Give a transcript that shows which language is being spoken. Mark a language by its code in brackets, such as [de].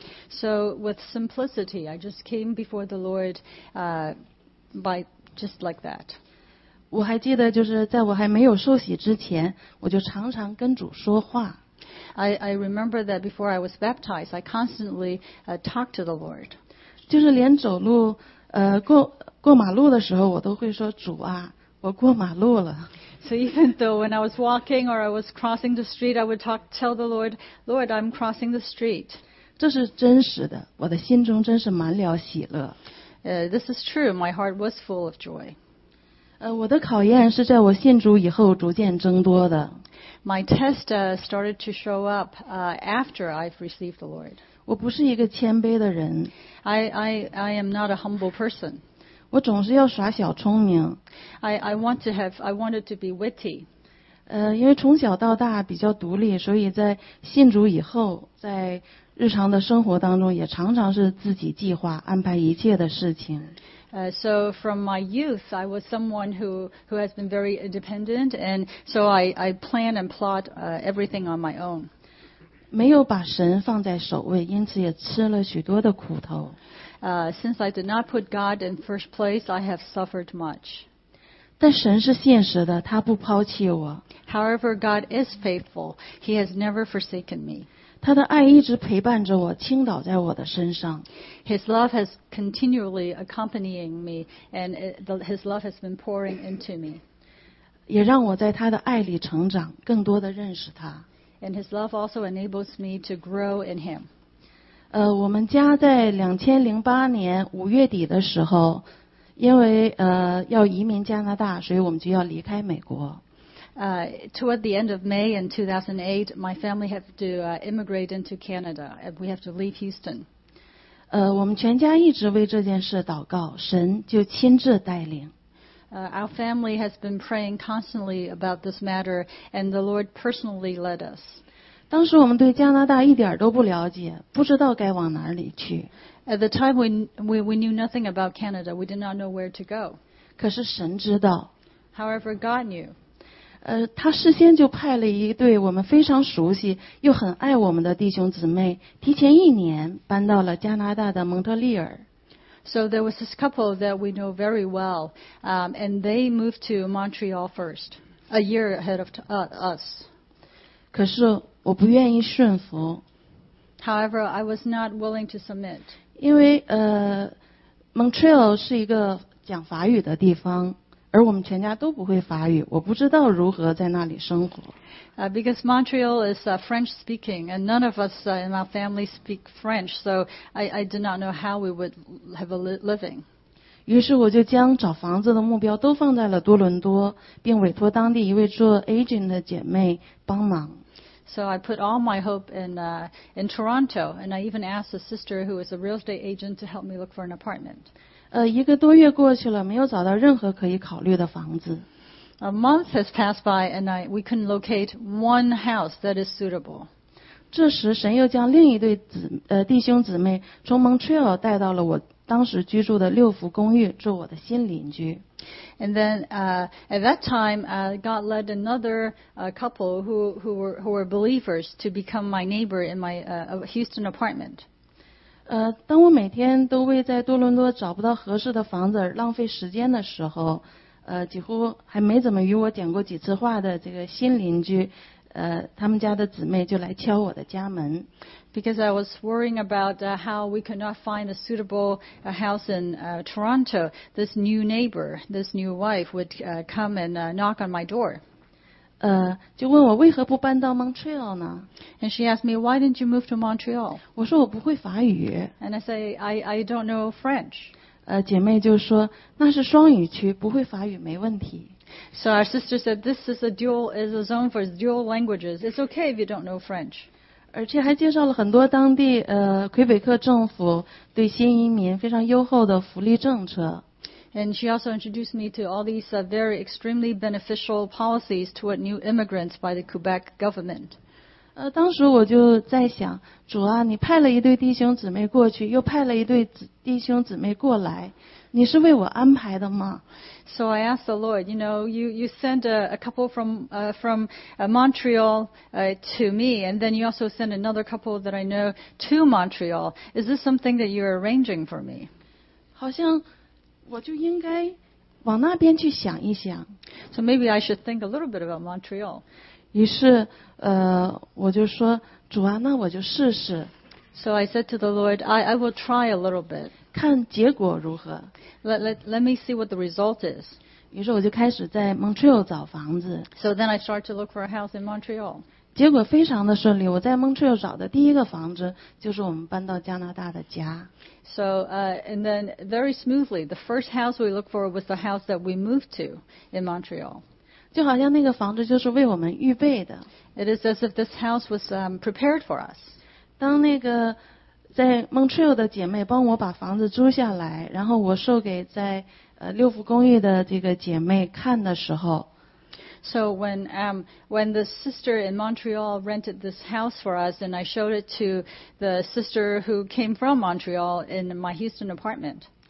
[en] So with simplicity, I just came before the Lord by just like that. [zh] 我还记得就是在我还没有受洗之前，我就常常跟主说话。 [en] I remember that before I was baptized, I constantly talked to the Lord. [zh] 就是连走路过马路的时候，我都会说主啊，我过马路了。 [en] So even though when I was walking or I was crossing the street, I would tell the Lord, Lord, I'm crossing the street. [zh] 这是真实的，我的心中真是满了喜乐。 [en] This is true. My heart was full of joy. [zh] 我的考验是在我信主以后逐渐增多的。 [en] My test started to show up after I've received the Lord. [zh] 我不是一个谦卑的人。 [en] I am not a humble person. [zh] 我总是要耍小聪明。 [en] I wanted to be witty. [zh] 因为从小到大比较独立，所以在信主以后，在日常的生活当中也常常是自己计划安排一切的事情。 [en] So from my youth, I was someone who has been very independent, and so I plan and plot everything on my own. [zh] 没有把神放在首位，因此也吃了许多的苦头。 [en] Since I did not put God in first place, I have suffered much. [zh] 但神是现实的，他不抛弃我。 [en] However, God is faithful. He has never forsaken me. [zh] 他的爱一直陪伴着我，倾倒在我的身上。 [en] His love has continually accompanying me, and his love has been pouring into me. [zh] 也让我在他的爱里成长，更多的认识他。 [en] And his love also enables me to grow in him. [zh] 我们家在2008年五月底的时候，因为要移民加拿大，所以我们就要离开美国。 [en] Toward the end of May in 2008, my family had to immigrate into Canada, and we have to leave Houston. [zh] 我们全家一直为这件事祷告，神就亲自带领。 [en] Our family has been praying constantly about this matter, and the Lord personally led us. [zh] 当时我们对加拿大一点都不了解，不知道该往哪里去。 [en] At the time, we knew nothing about Canada. We did not know where to go. [zh] 可是神知道。 [en] However, God knew. [zh] 他事先就派了一对我们非常熟悉又很爱我们的弟兄姊妹，提前一年搬到了加拿大的蒙特利尔。 [en] So there was this couple that we know very well, and they moved to Montreal first, a year ahead of us. [zh] 可是我不愿意顺服。 [en] However, I was not willing to submit. [zh] 因为Montreal 是一个讲法语的地方。而我们全家都不会法语，我不知道如何在那里生活。 [en] Because Montreal is French speaking, and none of us in our family speak French, so I did not know how we would have a living. [zh] 于是我就将找房子的目标都放在了多伦多，并委托当地一位做 agent 的姐妹帮忙。 [en] So I put all my hope in Toronto, and I even asked a sister who was a real estate agent to help me look for an apartment. [zh] 一个多月过去了，没有找到任何可以考虑的房子。 [en] A month has passed by, and we couldn't locate one house that is suitable. [zh] 这时，神又将另一对弟兄姊妹从 Montreal 带到了我当时居住的六福公寓，做我的新邻居。 [en] And then, at that time, God led another couple who were believers to become my neighbor in my Houston apartment. [zh] 当我每天都为在多伦多找不到合适的房子而浪费时间的时候，几乎还没怎么与我讲过几次话的这个新邻居，他们家的姊妹就来敲我的家门。 [en] Because I was worrying about how we could not find a suitable house in Toronto, this new neighbor, this new wife would come and knock on my door. [zh] 就问我为何不搬到 Montreal 呢？ [en] And she asked me, why didn't you move to Montreal? [zh] 我说我不会法语。 [en] And I say, I don't know French. [zh] 姐妹就说那是双语区，不会法语没问题。 [en] So our sister said, this is a zone for dual languages. It's okay if you don't know French. [zh] 而且还介绍了很多当地魁北克政府对新移民非常优厚的福利政策。 [en] And she also introduced me to all these very extremely beneficial policies toward new immigrants by the Quebec government. [zh] 当时我就在想，主啊，你派了一对弟兄姊妹过去，又派了一对弟兄姊妹过来，你是为我安排的吗？ [en] So I asked the Lord, you know, you sent a couple from Montreal to me, and then you also sent another couple that I know to Montreal. Is this something that you're arranging for me? [zh] 好像我就应该往那边去想一想。 [en] So maybe I should think a little bit about Montreal. [zh] 于是我就说，主啊，那我就试试。 [en] So I said to the Lord, I will try a little bit. [zh] 看结果如何。 [en] Let me see what the result is. [zh] 于是我就开始在 Montreal 找房子。 [en] So then I started to look for a house in Montreal. [zh] 结果非常的顺利，我在 Montreal 找的第一个房子就是我们搬到加拿大的家。 [en] So, and then very smoothly, the first house we looked for was the house that we moved to in Montreal. [zh] 就好像那个房子就是为我们预备的。 [en] It is as if this house was prepared for us. [zh] 当那个在 Montreal 的姐妹帮我把房子租下来，然后我售给在六福公寓的这个姐妹看的时候。 [en] So when the sister in Montreal rented this house for us, and I showed it to the sister who came from Montreal in my Houston apartment.